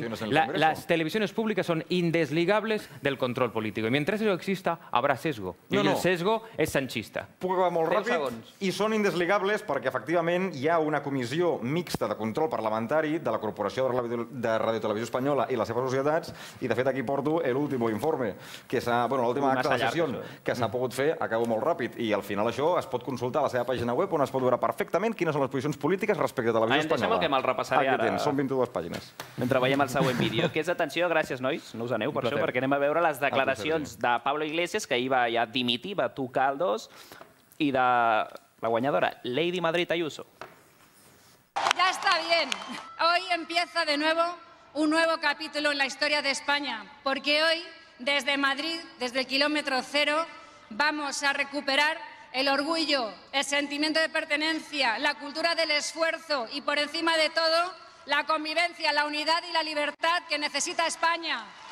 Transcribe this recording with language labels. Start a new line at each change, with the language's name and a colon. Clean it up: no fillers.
Spanish: Las televisiones públicas son indesligables del control político. Y mientras eso exista, habrá sesgo. El sesgo es sanchista. Puedo acabar muy rápido. Y son indesligables porque
Catalan: efectivament, hi ha una comissió mixta de control parlamentari de la Corporació de Ràdio i Televisió Espanyola i les seves societats, i de fet aquí porto l'últim informe, que és l'última acta de sessió que s'ha pogut fer, acabo molt ràpid, i al final això es pot consultar a la seva pàgina web on es pot veure perfectament quines són les posicions polítiques respecte a Televisió Espanyola. Deixa'm el que me'l repassaré ara. Aquí tens, són 22 pàgines. Mentre veiem el següent vídeo, que és atenció, gràcies, nois, no us aneu per això, perquè anem a veure les declaracions de Pablo Iglesias, que ahir va ja dimitir, va tocar el dos, i de...
Spanish: La guañadora, Lady Madrid Ayuso. Ya está bien. Hoy empieza de nuevo un nuevo capítulo en la historia de España, porque hoy, desde Madrid, desde el kilómetro cero, vamos a recuperar el orgullo, el sentimiento de pertenencia, la cultura del esfuerzo y, por encima de todo, la convivencia, la unidad y la libertad que necesita España.